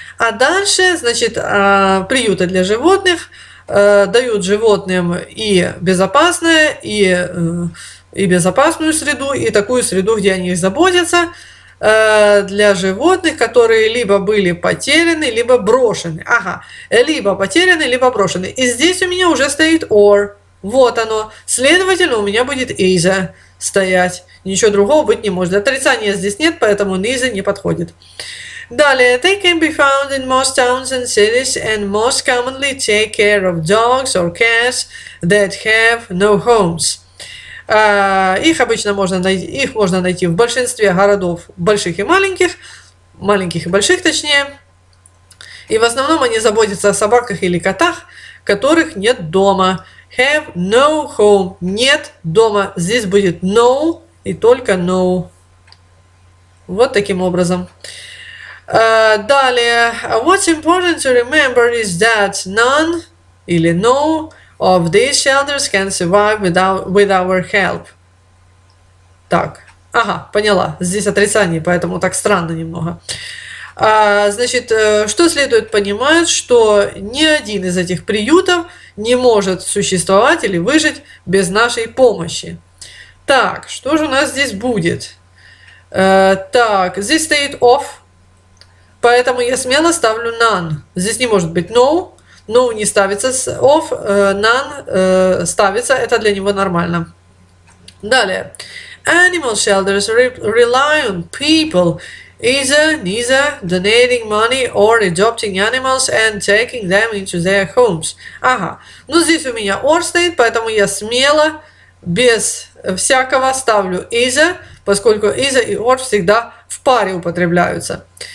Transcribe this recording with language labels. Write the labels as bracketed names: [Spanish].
[Russian] А дальше, значит, приюты для животных дают животным и безопасную среду, и такую среду, где они заботятся, для животных, которые либо были потеряны, либо брошены. Ага, либо потеряны, либо брошены. И здесь у меня уже стоит or. Вот оно. Следовательно, у меня будет is стоять. Ничего другого быть не может. Отрицания здесь нет, поэтому is не подходит. Далее, [English] they can be found in most towns and cities and most commonly take care of dogs or cats that have no homes. [Russian] Их можно найти в большинстве городов, больших и маленьких, маленьких и больших точнее. И в основном они заботятся о собаках или котах, которых нет дома. [English] Have no home. [Russian] Нет дома. Здесь будет no и только no. Вот таким образом. Далее, [English] what's important to remember is that none [Russian] или [English] no of these shelters can survive with our help. [Russian] Так, ага, поняла. Здесь отрицание, поэтому так странно немного. Значит, что следует понимать, что ни один из этих приютов не может существовать или выжить без нашей помощи. Так, что же у нас здесь будет? Так, здесь стоит of, поэтому я смело ставлю none. Здесь не может быть no. No не ставится с of, none ставится, это для него нормально. Далее. [English] Animal shelters rely on people, either donating money or adopting animals and taking them into their homes. [Russian] Ага, ну здесь у меня or стоит, поэтому я смело, без всякого ставлю either, поскольку either и or всегда в паре употребляются.